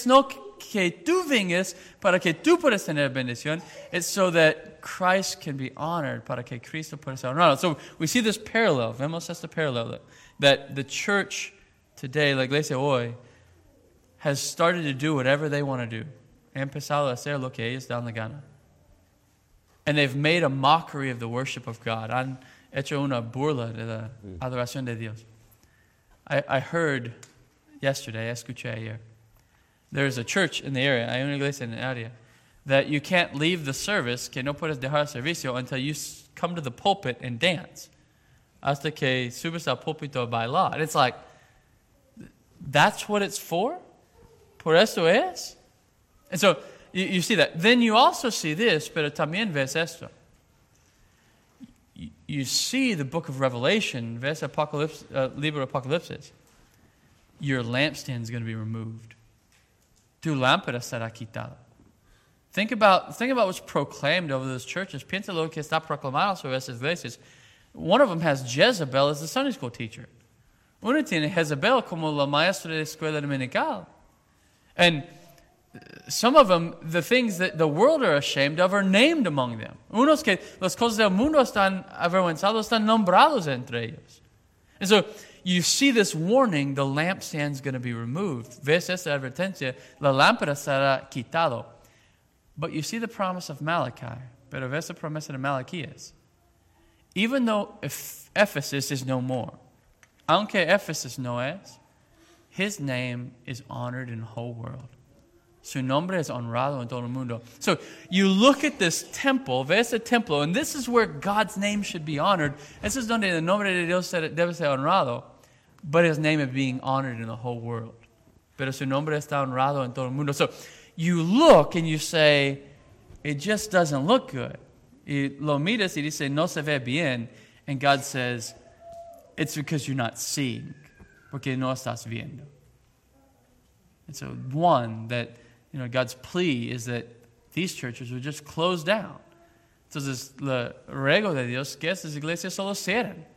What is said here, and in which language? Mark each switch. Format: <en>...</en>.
<es>It's no que tú vengas para que tú puedas tener bendición.</es> <en>It's so that Christ can be honored</en> <es>para que Cristo pueda ser honrado.</es> <en>So we see this parallel.</en> <es>Vemos este</es> <en>parallel that the church today,</en> <es>la iglesia hoy,</es> <en>has started to do whatever they want to do.</en> <es>Han empezado a hacer lo que ellos dan la gana.</es> <en>And they've made a mockery of the worship of God.</en> <es>Han hecho una burla de la adoración de Dios.</es> <en>I heard yesterday,</en> <es>escuché ayer,</es> <en>there's a church in the area,</en> <es>hay una iglesia en el área,</es> <en>that you can't leave the service,</en> <es>que no puedes dejar el servicio,</es> <en>until you come to the pulpit and dance.</en> <es>Hasta que subes al púlpito</es> <en>by law. And it's like, that's what it's for?</en> <es>Por eso es?</es> <en>And so, you see that. Then you also see this,</en> <es>pero también ves esto.</es> <en>You see the book of Revelation,</en> <es>ves libro Apocalipsis.</es> <en>Your lampstand is going to be removed.</en> <es>Tu lámpara será quitada.</es> <en>Think about what's proclaimed over those churches.</en> <es>Piensa lo que está proclamado sobre esas iglesias.</es> <en>One of them has Jezebel as the Sunday school teacher.</en> <es>Una tiene Jezebel como la maestra de escuela dominical.</es> <en>And some of them, the things that the world are ashamed of are named among them.</en> <es>Unos que las cosas del mundo están avergonzados, están nombrados entre ellos.</es> <en>And so, you see this warning, the lampstand's going to be removed.</en> <es>Ves esta advertencia, la lámpara será quitado.</es> <en>But you see the promise of Malachi.</en> <es>Pero ves la promesa de Malaquías.</es> <en>Even though Ephesus is no more,</en> <es>aunque Ephesus no es,</es> <en>his name is honored in the whole world.</en> <es>Su nombre es honrado en todo el mundo.</es> <en>So you look at this temple,</en> <es>ves el templo,</es> <en>and this is where God's name should be honored. This is</en> <es>donde el nombre de Dios debe ser honrado,</es> <en>but his name is being honored in the whole world.</en> <es>Pero su nombre está honrado en todo el mundo.</es> <en>So you look and you say, it just doesn't look good.</en> <es>Y lo miras y dice, no se ve bien.</es> <en>And God says, it's because you're not seeing,</en> <es>porque no estás viendo.</es> <en>And so one, that, you know, God's plea is that these churches would just close down.</en> <es>Entonces, la ruego de Dios, que estas iglesias solo cierren.</es>